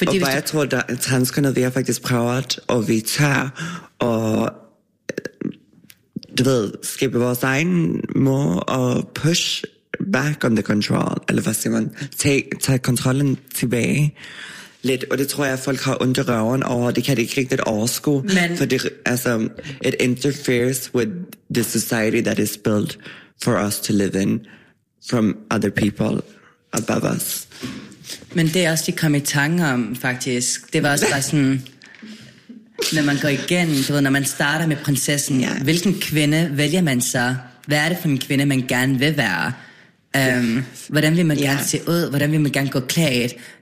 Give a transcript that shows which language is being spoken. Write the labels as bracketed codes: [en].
[da] Fordi og hvad jeg tror, at danskerne, vi har faktisk prøvet, og vi tør og du ved, skabe vores egen måde og [en] push back on the control, [da] eller hvad siger man, tage kontrollen tilbage. Lidt, og det tror jeg, at folk har ondt i røven over. Det kan de ikke rigtigt overskue. Men, for det, altså, [en] it interferes with the society that is built for us to live in from other people above us. [da] Men det er også, de kom i tanke om, faktisk. Det var også bare sådan, når man går igen, du ved, når man starter med prinsessen, hvilken kvinde vælger man så? Hvad er det for en kvinde, man gerne vil være? Hvordan vil man gerne se ud? Hvordan vil man gerne gå klædt?